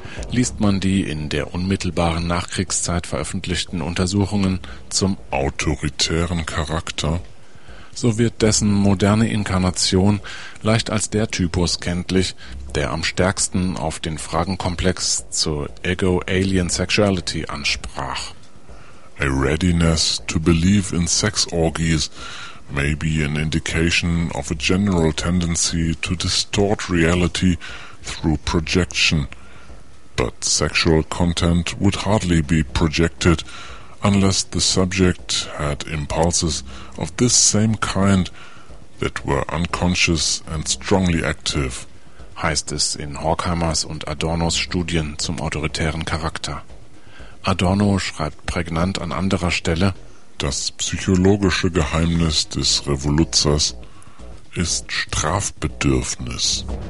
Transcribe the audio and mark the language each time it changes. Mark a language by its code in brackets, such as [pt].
[de] Liest man die in der unmittelbaren Nachkriegszeit veröffentlichten Untersuchungen zum autoritären Charakter, so wird dessen moderne Inkarnation leicht als der Typus kenntlich, der am stärksten auf den Fragenkomplex zur Ego-Alien-Sexuality ansprach. [en] A readiness to believe in sex orgies may be an indication of a general tendency to distort reality through projection. But sexual content would hardly be projected unless the subject had impulses of this same kind that were unconscious and strongly active, [de] heißt es in Horkheimers und Adornos Studien zum autoritären Charakter. Adorno schreibt prägnant an anderer Stelle: Das psychologische Geheimnis des Revoluzers ist Strafbedürfnis.